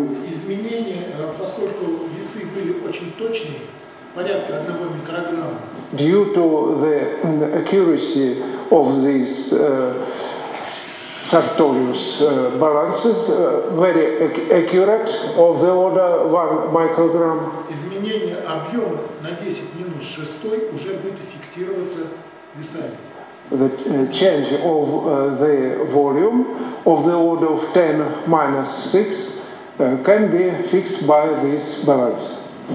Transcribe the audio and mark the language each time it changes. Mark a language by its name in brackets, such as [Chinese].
[Russian] Изменение, поскольку весы были очень точные, порядка 1 микрограмма. [English] Due to the accuracy of these Sartorius balances, very accurate, of the order 1 microgram. [Russian] Изменение объема на 10 минус 6 уже будет фиксироваться. [English] The change of the volume of the order of 10 minus 6 can be fixed by this balance.